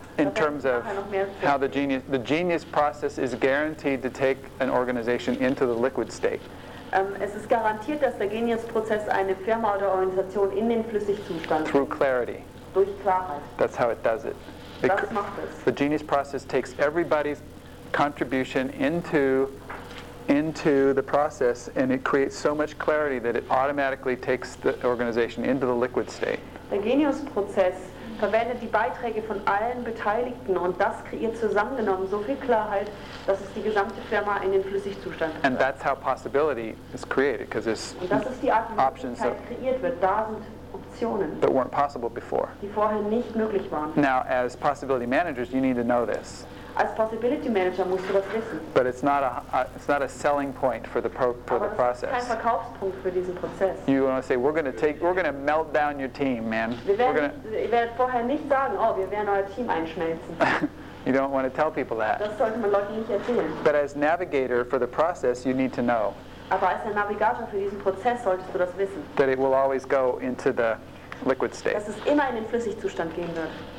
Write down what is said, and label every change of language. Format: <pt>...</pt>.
<en>In terms of how the genius process is guaranteed to take an organization into the liquid state.</en> <de>Es ist garantiert, dass der Genius-Prozess eine Firma oder Organisation in den Flüssigzustand.</de> <en>Through clarity.</en> <de>Durch Klarheit.</de> <en>That's how it does it.</en> <de>Das macht es.</de> <en>The genius process takes everybody's contribution into the process, and it creates so much clarity that it automatically takes the organization into the liquid state.</en> <de>Der Genius-Prozess verwendet die Beiträge von allen Beteiligten und das kreiert zusammengenommen so viel Klarheit, dass es die gesamte Firma in den Flüssigzustand bringt.</de> <en>And that's how possibility is created, because there's options.</en> <de>Und das ist die Art, wie Möglichkeit kreiert wird. Da sind Optionen,</de> <en>that weren't possible before.</en> <de>Die vorher nicht möglich waren.</de> <en>Now, as possibility managers, you need to know this.</en> <de>Als Possibility Manager musst du das wissen.</de> <en>But it's not a selling point for the process.</en> <de>Aber es ist kein Verkaufspunkt für diesen Prozess.</de> <en>You want to say we're going to melt down your team, man.</en> <de>Wir werden vorher nicht sagen, oh, wir werden euer Team einschmelzen.</de> <en>You don't want to tell people that.</en> <de>Das sollte man Leuten nicht erzählen.</de> <en>But as navigator for the process, you need to know.</en> <de>Aber als ein Navigator für diesen Prozess solltest du das wissen.</de> <en>That it will always go into the liquid state.</en> <de>Dass es immer in den Flüssigzustand gehen wird.</de>